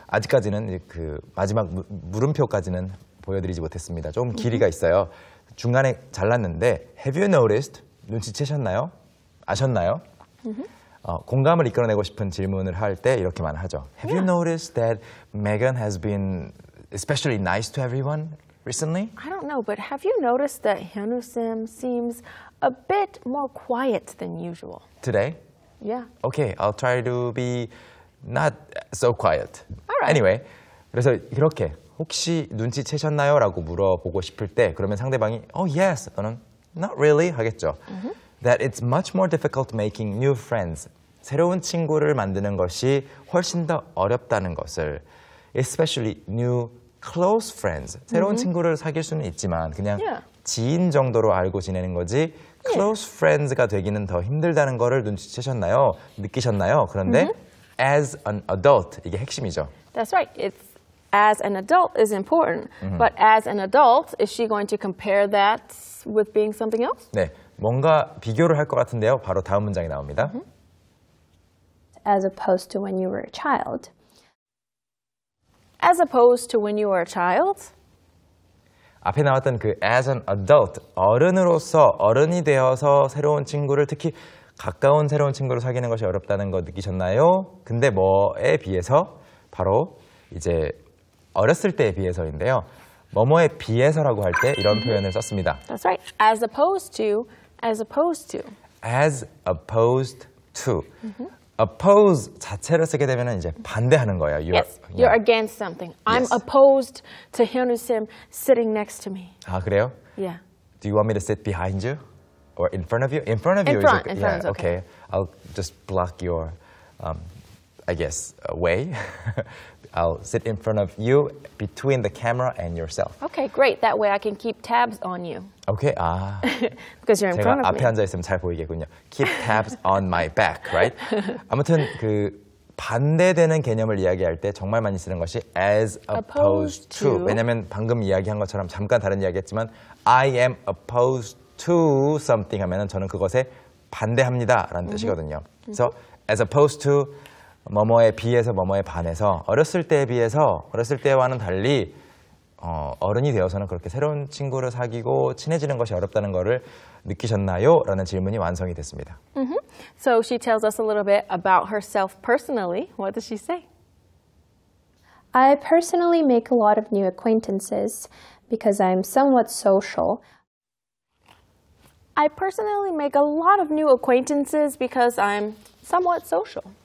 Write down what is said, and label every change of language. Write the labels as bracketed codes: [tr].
[ko] 아직까지는 그 마지막 물음표까지는 보여드리지 못했습니다. 조금 길이가 mm-hmm. 있어요. 중간에 잘랐는데 [en] Have you noticed? [ko] 눈치채셨나요? 아셨나요? Mm-hmm. 공감을 이끌어내고 싶은 질문을 할 때 이렇게만 하죠. [en] Have you noticed that Megan has been especially nice to everyone recently? I don't know, but have you noticed that Hyunwoo-sim seems a bit more quiet than usual? Today? Yeah. Okay, I'll try to be not so quiet. All right. Anyway, [ko] 그래서 이렇게 혹시 눈치채셨나요? 라고 물어보고 싶을 때 그러면 상대방이 [en] Oh, yes! [ko] 또는 [en] Not really! [ko] 하겠죠. Mm-hmm. [en] That it's much more difficult making new friends. [ko] 새로운 친구를 만드는 것이 훨씬 더 어렵다는 것을. [en] Especially new close friends. [ko] 새로운 mm-hmm. 친구를 사귈 수는 있지만 그냥 지인 정도로 알고 지내는 거지 close friends가 되기는 더 힘들다는 것을 눈치채셨나요? 느끼셨나요? 그런데 mm-hmm. [en] as an adult, [ko] 이게 핵심이죠. [en] That's right. It's as an adult is important. Mm-hmm. But as an adult, is she going to compare that with being something else? [ko] 네. 뭔가 비교를 할 것 같은데요. 바로 다음 문장이 나옵니다. [en] As opposed to when you were a child. As opposed to when you were a child. [ko] 앞에 나왔던 그 [en] as an adult, [ko] 어른으로서, 어른이 되어서 새로운 친구를, 특히 가까운 새로운 친구를 사귀는 것이 어렵다는 거 느끼셨나요? 근데 뭐에 비해서? 바로 이제 어렸을 때에 비해서인데요. 뭐뭐에 비해서라고 할 때 이런 표현을 썼습니다. [en] That's right. As opposed to, as opposed to. As opposed to. [ko] Mm-hmm. Oppose 자체를 쓰게 되면 이제 반대하는 거예요. [en] You're, yes, you're yeah. against something. I'm opposed to Hyunwoo-sim sitting next to me. [ko] 아, 그래요? [en] Yeah. Do you want me to sit behind you? or in front of you? In front of you. In front. Is yeah, okay. Okay. I'll just block your, I guess, way. I'll sit in front of you between the camera and yourself. Okay, great. That way I can keep tabs on you. Okay. because you're in front of me. [ko] 제가 앞에 앉아 있으면 잘 보이겠군요. [en] Keep tabs on my back, right? [ko] 아무튼 그 반대되는 개념을 이야기할 때 정말 많이 쓰는 것이 [en] as opposed to. [ko] 왜냐면 방금 이야기한 것처럼 잠깐 다른 이야기했지만 [en] I am opposed to something [ko] 하면은 저는 그것에 반대합니다라는 뜻이거든요. [en] So as opposed to [ko] 뭐뭐에 비해서 뭐뭐에 반해서 어렸을 때에 비해서 어렸을 때와는 달리 어른이 되어서는 그렇게 새로운 친구를 사귀고 친해지는 것이 어렵다는 것을 느끼셨나요? 라는 질문이 완성이 됐습니다. Mm-hmm. [en] So she tells us a little bit about herself personally. What does she say? I personally make a lot of new acquaintances because I'm somewhat social. I personally make a lot of new acquaintances because I'm somewhat social.